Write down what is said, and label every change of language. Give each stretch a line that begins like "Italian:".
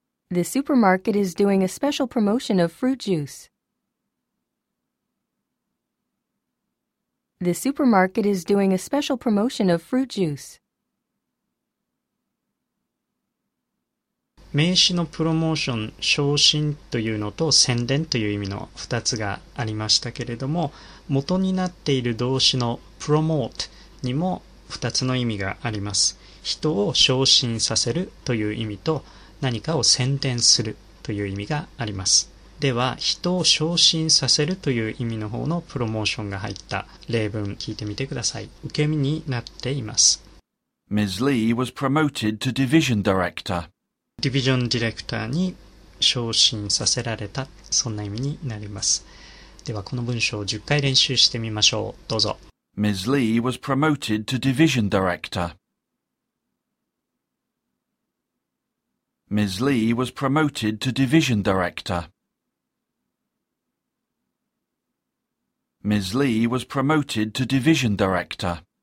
English: The supermarket is doing a special promotion of fruit juice. The supermarket is doing a special promotion of fruit juice.
Japanese: 名詞のプロモーション、昇進というのと宣伝という意味の2つがありましたけれども、元になっている動詞のプロモートにも2つの意味があります。人を昇進させるという意味と、何かを宣伝するという意味があります。では、人を昇進させるという意味の方のプロモーションが入った例文聞いてみてください。受け身になっています。
English: Ms. Lee was promoted to division director.
Japanese: ディビジョンディレクターに昇進させられた、そんな意味になります。ではこの文章を10回練習してみましょう。どうぞ。
English: Ms. Lee was promoted to division director. Ms. Lee was promoted to division director. Ms. Lee was promoted to division director.